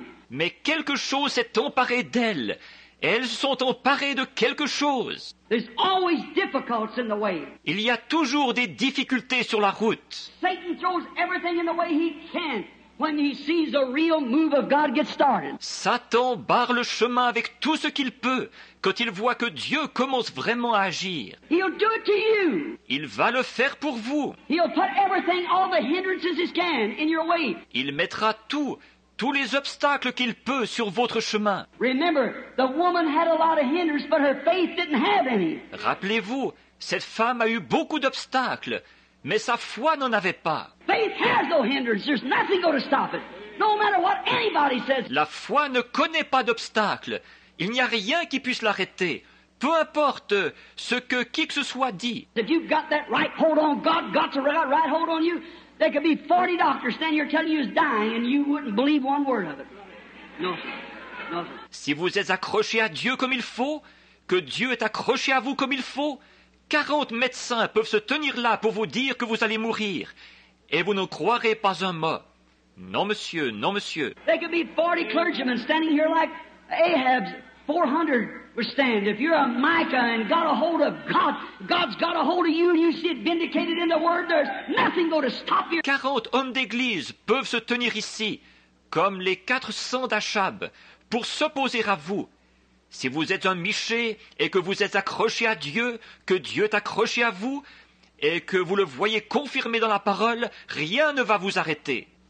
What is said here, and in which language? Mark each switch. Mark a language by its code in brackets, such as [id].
[fr] Mais quelque chose s'est emparé d'elles, et elles se sont emparées de quelque chose. [en] There's always difficulties in the way. [fr] Il y a toujours des difficultés sur la route. [en] Satan throws everything in the way he can. When he sees a real move of God get started. [fr] Satan barre le chemin avec tout ce qu'il peut quand il voit que Dieu commence vraiment à agir. [en] He'll do it to you. [fr] Il va le faire pour vous. [en] He'll put everything, all the hindrances he can, in your way. [fr] Il mettra tous les obstacles qu'il peut sur votre chemin. [en] Remember, the woman had a lot of hindrances, but her faith didn't have any. [fr] Rappelez-vous, cette femme a eu beaucoup d'obstacles. Mais sa foi n'en avait pas. [en] Faith has no hindrance. There's nothing going to stop it. No matter what anybody says. [fr] La foi ne connaît pas d'obstacle. Il n'y a rien qui puisse l'arrêter. Peu importe ce que qui que ce soit dit. [en] If you've got that right hold on, God got the right hold on you, there could be 40 doctors standing here telling you he's dying and you wouldn't believe one word of it. No, no. [fr] Si vous êtes accroché à Dieu comme il faut, que Dieu est accroché à vous comme il faut, 40 médecins peuvent se tenir là pour vous dire que vous allez mourir. Et vous ne croirez pas un mot. Non, monsieur, non, monsieur. [en] There could be 40 clergymen standing here like Ahab's 400 would stand. If you're a Micah and got a hold of God, God's got a hold of you and you see it vindicated in the word, there's nothing going to stop you. [fr] 40 hommes d'église peuvent se tenir ici, comme les 400 d'Achab, pour s'opposer à vous. Si vous êtes un miché et que vous êtes accroché à Dieu, que Dieu est accroché à vous, et que vous le voyez confirmé dans la parole, rien ne va vous arrêter.